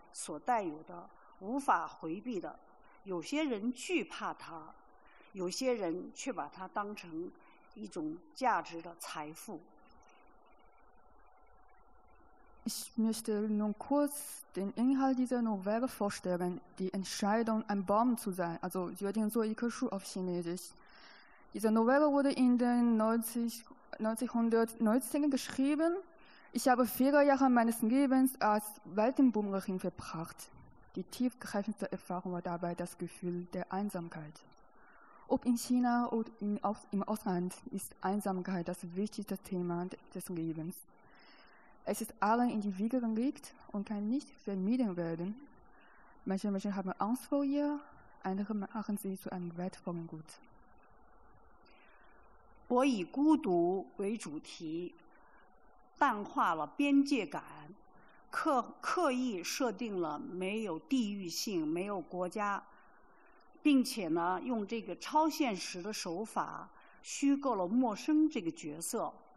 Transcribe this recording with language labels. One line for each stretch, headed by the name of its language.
Chinese: 现在我就来简单介绍一下这篇小说的内容。决定做一棵树，写于上个世纪90年代。我经历了浪迹天涯的生活，体验最深刻的就是孤独。无论是中国还是外国，孤独是人生最主要的主题，它是人的与生俱来所带有的，无法回避的。
German: Ich möchte nun kurz den Inhalt dieser Novelle vorstellen, die Entscheidung, ein Baum zu sein, also Jüdin so Ikeshu auf Chinesisch. Diese Novelle wurde in den 1990er geschrieben. Ich habe 4 Jahre meines Lebens als Weltenbummlerin verbracht. Die tiefgreifendste Erfahrung war dabei das Gefühl der Einsamkeit. Ob in China oder im Ausland ist Einsamkeit das wichtigste Thema des Lebens. Es ist allen in die Wiege gelegt und kann nicht vermieden werden. Manche Menschen haben Angst vor ihr, andere machen sie zu einem wertvollen Gut. Ich habe
Chinese: 刻意设定了没有地域性、没有国家，并且呢用这个超现实的手法虚构了陌生这个角色。